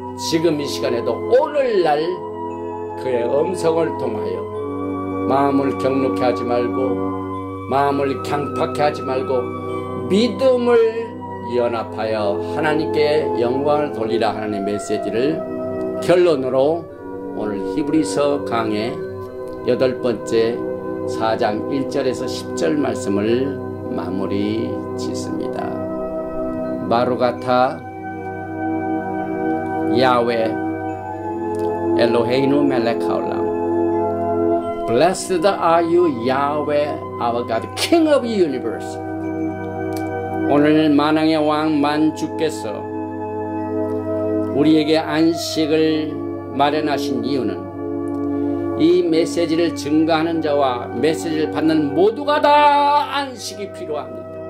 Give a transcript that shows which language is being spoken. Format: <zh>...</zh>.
<ko>지금 이 시간에도 오늘날 그의 음성을 통하여 마음을 경로케 하지 말고 마음을 강팍케 하지 말고 믿음을 연합하여 하나님께 영광을 돌리라 하는 메시지를 결론으로 오늘 히브리서 강의 여덟 번째 4장 1절에서 10절 말씀을 마무리 짓습니다.</ko> <he>마루가타 야웨 엘로헤이누 멜렉하올람</he> <en>Blessed are you Yahweh our God King of the Universe.</en> <ko>오늘 만왕의 왕 만주께서 우리에게 안식을 마련하신 이유는 이 메시지를 증거하는 자와 메시지를 받는 모두가 다 안식이 필요합니다.</ko>